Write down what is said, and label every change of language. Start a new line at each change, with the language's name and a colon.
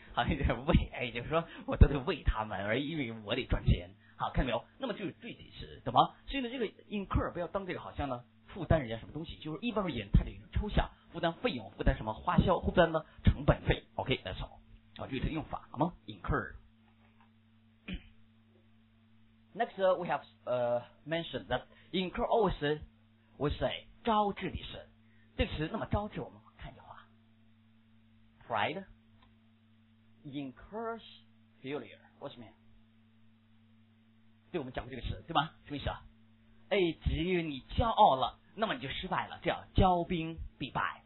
Chinese: 好像有点喂，哎，就是说我都得喂他们，而因为我得赚钱。好，看到没有？那么就是具体词，懂吗？所以呢，这个 incur 不要当这个好像呢负担人家什么东西，就是一般而言它得抽象，负担费用，负担什么花销，负担呢成本费。
English: OK, that's all.
Chinese: 好，具体用法好吗 ？Incur.
English: Next, we have mentioned that incur always we say
Chinese: 招致的是这个词。那么招致我们看一句话 ，
English: pride incurs failure. What's mean?
Chinese: 对，我们讲过这个词，对吧？什么意思啊？哎，只有你骄傲了，那么你就失败了，叫骄兵必败。